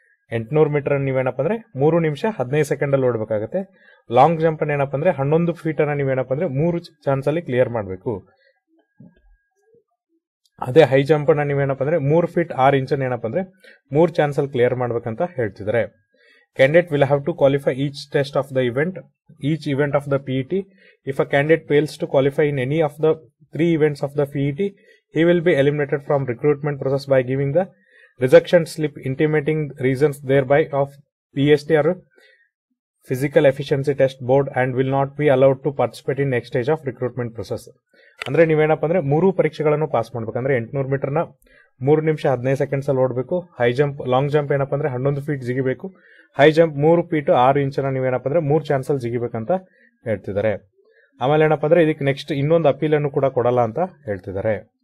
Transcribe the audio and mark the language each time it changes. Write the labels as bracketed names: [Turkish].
[Kannada] 800 meter ಅನ್ನ ನೀವೇನಪ್ಪ ಅಂದ್ರೆ 3:15 ಅಲ್ಲಿ ಓಡಬೇಕಾಗುತ್ತೆ. ಲಾಂಗ್ ಜಂಪ್ ಅನ್ನ ಏನಪ್ಪ ಅಂದ್ರೆ 11 feet ಅನ್ನ ನೀವೇನಪ್ಪ ಅಂದ್ರೆ 3 chance ಅಲ್ಲಿ ಕ್ಲಿಯರ್ ಮಾಡಬೇಕು. ಅದೇ ಹೈ ಜಂಪ್ ಅನ್ನ ನೀವೇನಪ್ಪ ಅಂದ್ರೆ 3 feet 6 inch ಏನಪ್ಪ ಅಂದ್ರೆ 3 chance ಅಲ್ಲಿ ಕ್ಲಿಯರ್ ಮಾಡ್ಬೇಕಂತ ಹೇಳ್ತಿದ್ದಾರೆ. [English] Candidate will have to qualify each test of the event, each event of the PET. If a candidate fails to qualify in any of the three events of the PET, he will be eliminated from recruitment process by giving the rejection slip intimating reasons thereby of PST or physical efficiency test board and will not be allowed to participate in next stage of recruitment process. [Kannada] ಅಂದ್ರೆ ನೀವೇನಪ್ಪ ಅಂದ್ರೆ ಮೂರು ಪರೀಕ್ಷೆಗಳನ್ನು pass ಮಾಡ್ಬೇಕು ಅಂದ್ರೆ 800 metre ನ 3 ನಿಮಿಷ 15 seconds ಅಲ್ಲಿ ಓಡಬೇಕು. ಹೈ ಜಂಪ್ ಲಾಂಗ್ ಜಂಪ್ ಏನಪ್ಪ ಅಂದ್ರೆ 11 ಫೀಟ್ ಜಿಗಿಬೇಕು. ಹೈ ಜಂಪ್ 3 ಫೀಟ್ 6 ಇಂಚನ ನೀವೇನಪ್ಪ ಅಂದ್ರೆ 3 ಚಾನ್ಸ್ ಅಲ್ಲಿ ಜಿಗಿಬೇಕಂತ ಹೇಳ್ತಿದ್ದಾರೆ. ಆಮೇಲೆ ಏನಪ್ಪ ಅಂದ್ರೆ ಇದಕ್ಕೆ ನೆಕ್ಸ್ಟ್ ಇನ್ನೊಂದು ಅಪೀಲ್ ಅನ್ನು ಕೂಡ ಕೊಡಲ್ಲ ಅಂತ ಹೇಳ್ತಿದ್ದಾರೆ.